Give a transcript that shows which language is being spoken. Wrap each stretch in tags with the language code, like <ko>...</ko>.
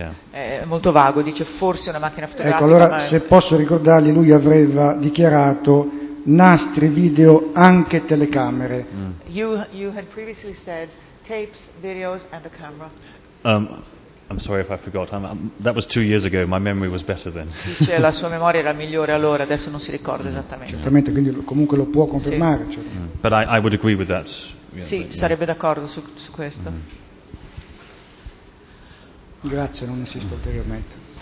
<it>È molto vago, dice forse una macchina fotografica. Ecco, allora ma... se posso ricordargli, lui aveva dichiarato nastri video anche telecamere.</it> <en>You had previously said tapes, videos and a camera. I'm sorry if I forgot. That was 2 years ago. My memory was better then.</en> <it>Dice la sua memoria era migliore allora, adesso non si ricorda esattamente. Certamente, quindi comunque lo può confermare. Sì. Cioè.</it> <en>But I would agree with that.</en> <it>Sì, sarebbe d'accordo su questo. Grazie, non insisto ulteriormente.</it>